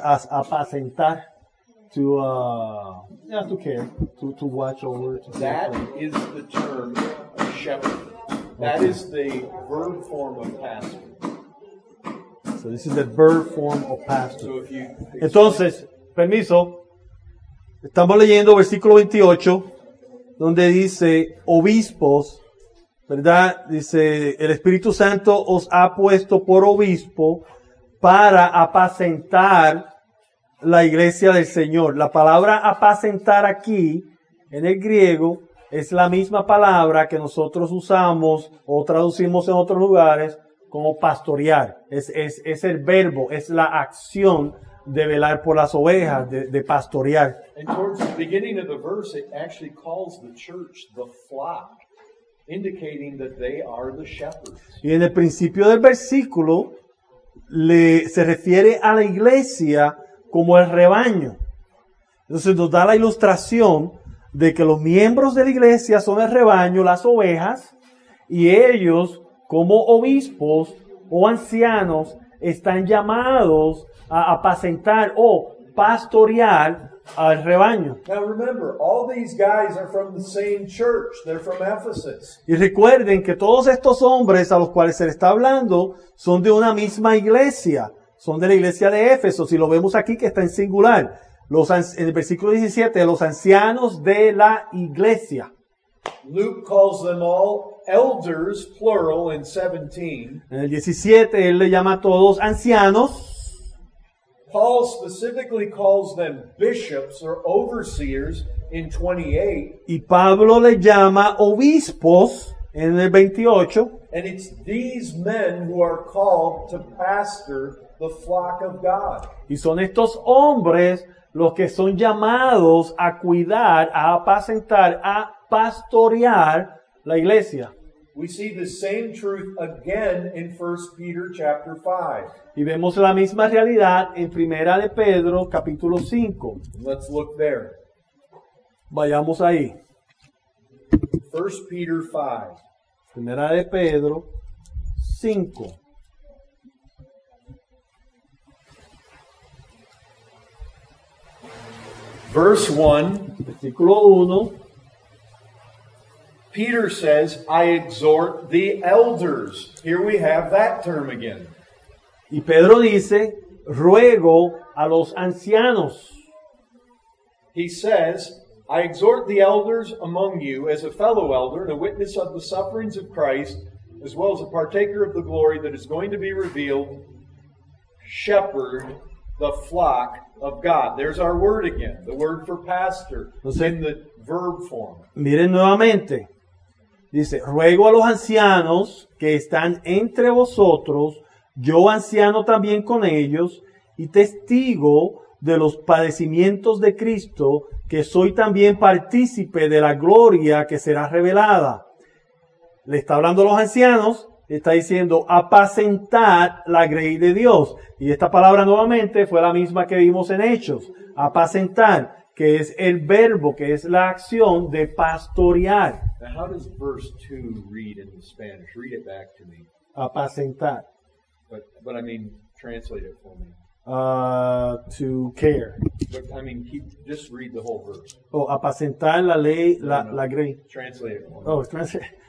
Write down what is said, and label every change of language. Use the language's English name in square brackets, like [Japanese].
[English] Apacentar, to care, to watch over. To that is the term of shepherd. That is the verb form of pastor. So this is the verb form of pastor. So if you [Spanish] entonces, permiso, estamos leyendo versículo 28, donde dice obispos, ¿verdad? Dice, el Espíritu Santo os ha puesto por obispo para apacentar la iglesia del Señor. La palabra apacentar aquí, en el griego, es la misma palabra que nosotros usamos o traducimos en otros lugares como pastorear. Es el verbo, es la acción de velar por las ovejas, de pastorear. [English] And towards the beginning of the verse, it actually calls the church the flock, indicating that they are the shepherds. [Spanish] Y en el principio del versículo se refiere a la iglesia como el rebaño. Entonces nos da la ilustración de que los miembros de la iglesia son el rebaño, las ovejas, y ellos como obispos o ancianos están llamados a apacentar o pastorear al rebaño. [English] Now remember, all these guys are from the same church. They're from Ephesus. [Spanish] Y recuerden que todos estos hombres a los cuales se le está hablando son de una misma iglesia. Son de la iglesia de Éfeso. Si lo vemos aquí que está en singular. En el versículo 17, los ancianos de la iglesia. [English] Luke calls them all elders, plural, in 17. [Spanish] En el 17, él le llama a todos ancianos. [English] Paul specifically calls them bishops or overseers in 28. [Spanish] Y Pablo le llama obispos en el 28. [English] And it's these men who are called to pastor the flock of God. [Spanish] Y son estos hombres los que son llamados a cuidar, a apacentar, a pastorear la iglesia. [English] We see the same truth again in 1 Peter chapter 5. [Spanish] Y vemos la misma realidad en Primera de Pedro capítulo 5. [English] Let's look there. [Spanish] Vayamos ahí. [English] 1 Peter 5. [Spanish] Primera de Pedro 5. [English] Verse 1, [Spanish] versículo 1. [English] Peter says, I exhort the elders. Here we have that term again. [Spanish] Y Pedro dice, ruego a los ancianos. [English] He says, I exhort the elders among you as a fellow elder and a witness of the sufferings of Christ, as well as a partaker of the glory that is going to be revealed, shepherd the flock of God. There's our word again, the word for pastor. [Spanish] Entonces, [English] in the verb form. [Spanish] Miren nuevamente. Dice, ruego a los ancianos que están entre vosotros, yo anciano también con ellos, y testigo de los padecimientos de Cristo, que soy también partícipe de la gloria que será revelada. Le está hablando a los ancianos, está diciendo, apacentad la grey de Dios. Y esta palabra nuevamente fue la misma que vimos en Hechos. Apacentar, que es el verbo, que es la acción de pastorear. [English] Now, how does verse 2 read in the Spanish? Read it back to me. [Spanish] Apacentar. [English] But I mean, translate it for me. To care. But I mean, keep, just read the whole verse. [Spanish] Oh, apacentar la ley, la grey. [English] Translate it for me.